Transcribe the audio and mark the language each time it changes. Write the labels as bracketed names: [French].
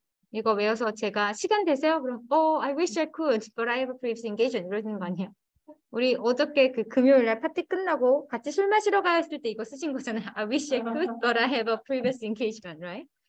[Korean] 이거 외워서 제가 시간 되세요? 그럼 [English] oh, I wish I could, but I have a previous engagement. [Korean] 이러는 거 아니에요? 우리 어저께 그 금요일날 파티 끝나고 같이 술 마시러 갔을 때 이거 쓰신 거잖아요. [English] I wish I could, but I have a previous engagement, right?